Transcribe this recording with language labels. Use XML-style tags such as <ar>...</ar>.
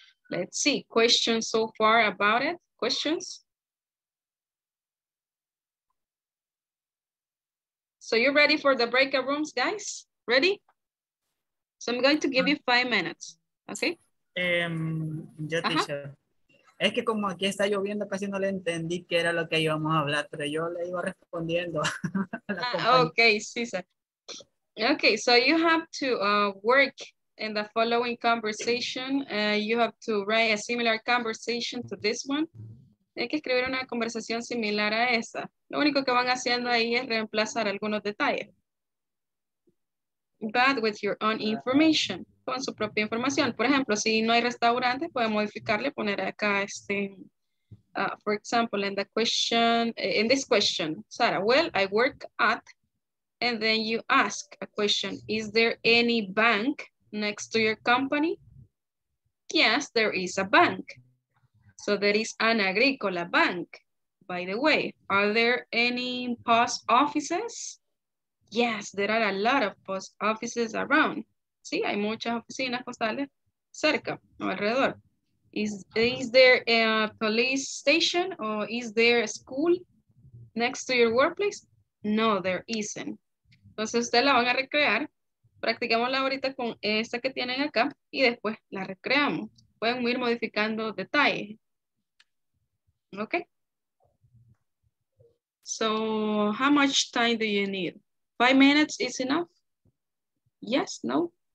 <en>Let's see, questions so far about it? Questions? So you're ready for the breakout rooms, guys? Ready? So I'm going to give you 5 minutes, okay?</en> <es>Yo, teacher. Es que como aquí está lloviendo, casi no le entendí qué era lo que íbamos a hablar, pero yo le iba respondiendo.</es> <en>Okay, sí, sir. Okay, so you have to work in the following conversation. You have to write a similar conversation to this one.</en> <es>Hay que escribir una conversación similar a esa. Lo único que van haciendo ahí es reemplazar algunos detalles.</es> <en>But with your own information,</en> <es>con su propia información. Por ejemplo, si no hay restaurante, puede modificarle, poner acá este,</es> <en>for example, in the question, in this question, Sara, well, I work at, and then you ask a question, is there any bank next to your company? Yes, there is a bank. So there is an agricola bank. By the way, are there any post offices? Yes, there are a lot of post offices around.</en> <es>Sí, hay muchas oficinas postales cerca o alrededor.</es> <en>Is there a police station or is there a school next to your workplace? No, there isn't.</en> <es>Entonces ustedes la van a recrear. Practicamosla ahorita con esta que tienen acá y después la recreamos. Pueden ir modificando detalles. Okay.</es> <en>So how much time do you need? 5 minutes is enough? Yes, no?</en>